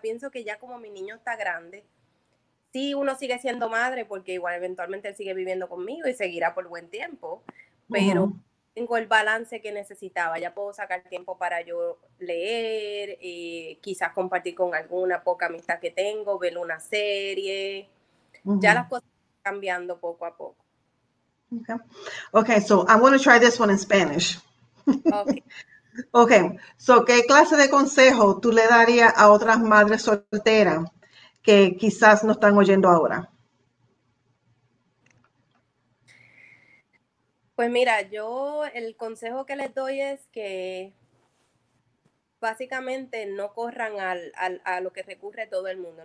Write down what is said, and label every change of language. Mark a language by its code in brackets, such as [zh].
[es] Pienso que ya como mi niño está grande, sí, uno sigue siendo madre porque igual eventualmente él sigue viviendo conmigo y seguirá por buen tiempo, pero tengo el balance que necesitaba. Ya puedo sacar tiempo para yo leer, quizás compartir con alguna poca amistad que tengo, ver una serie. Ya las cosas están cambiando poco a poco. [en] Okay, so I want to try this one in Spanish. Okay. So, [es] ¿qué clase de consejo tú le darías a otras madres solteras que quizás no están oyendo ahora? Pues mira, yo el consejo que les doy es que básicamente no corran a lo que recurre todo el mundo.